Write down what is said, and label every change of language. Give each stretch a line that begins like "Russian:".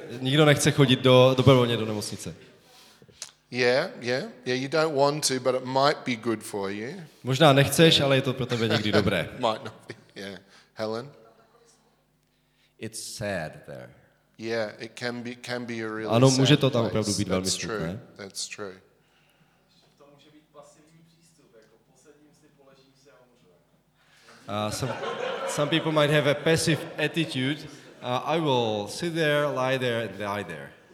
Czech: Nikdo nechce chodit dobrovolně do nemocnice.
English: Yeah, yeah. Yeah, you don't want to, but it might be good for you.
Czech: Možná nechceš, ale je to pro tebe někdy dobré.
English: Might not be. Yeah. Helen. It's sad there. Yeah, it can be a really
Czech: ano, může
English: sad
Czech: to tam opravdu být velmi smutné.
English: True. That's true.
Czech: To může být pasivní přístup, jako posedím si, položím se a umřu.
English: Some people might have a passive attitude. I will sit there, lie there and die there.